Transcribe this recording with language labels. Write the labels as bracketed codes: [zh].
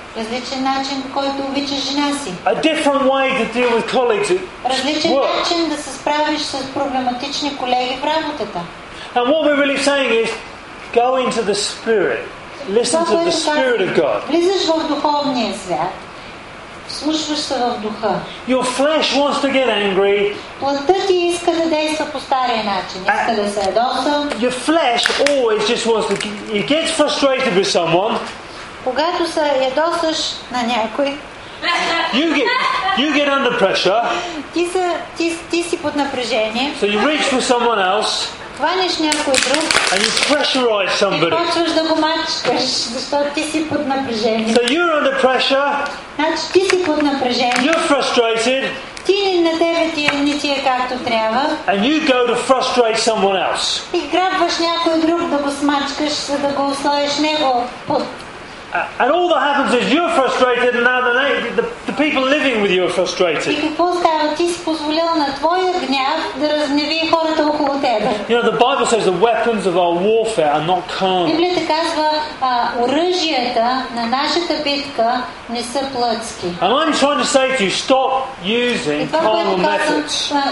[bg] Различен начин, по който обичаш жена си. [en] A different way to deal with colleagues at work. [bg] Различен начин да се справиш с проблематични колеги в работата. [en] And what we're really saying is, go into the Spirit. Listen to the Spirit of God. [bg] Влизаш в духовния свят. Слушваш се в духа. [en] Your flesh wants to get angry. [bg] Плътта ти иска да действа по стария начин. Иска да се ядоса. [en] Your flesh always just wants to get frustrated with someone. [bg] Когато се ядосаш на някой. [en] You get under pressure. [bg] Ти си под напрежение. [en] So you reach for someone else. [bg] Хванеш някой друг. [en] And you pressurize somebody. [bg] И почваш да го мачкаш, защото ти си под напрежение. [en] So you're under pressure. [bg] Значи ти си под напрежение. [en] You're frustrated. [bg] Ти на тебе ти не ти е както трябва. [en] And you go to frustrate someone else. [bg] И грабваш някой друг да го смачкаш, за да го оставиш него под. [en] And all that happens is you're frustrated and now the people living with you are frustrated. You know, the Bible says the weapons of our warfare are not carnal. And I'm trying to say to you, stop using carnal methods.